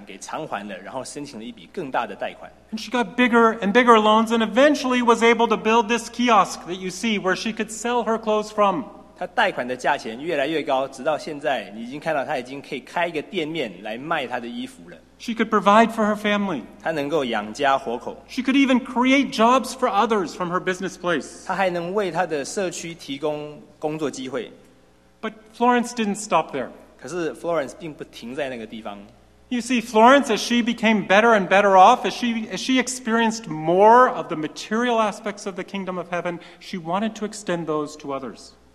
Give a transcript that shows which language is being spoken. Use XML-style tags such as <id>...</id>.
<zh>所以她很快的就把她的贷款给偿还了，然后申请了一笔更大的贷款。</zh> <en>And she got bigger and bigger loans and eventually was able to build this kiosk that you see where she could sell her clothes from.</en> <zh>她贷款的价钱越来越高，直到现在，你已经看到她已经可以开一个店面来卖她的衣服了。</zh> <en>She could provide for her family.</en> <zh>她能够养家活口。</zh> <en>She could even create jobs for others from her business place.</en> <zh>她还能为她的社区提供工作机会。</zh> <en>But Florence didn't stop there.</en> <zh>可是Florence并不停在那个地方。</zh> <en>You see, Florence, as she became better and better off, as she experienced more of the material aspects of the kingdom of heaven, she wanted to extend those to others.</en>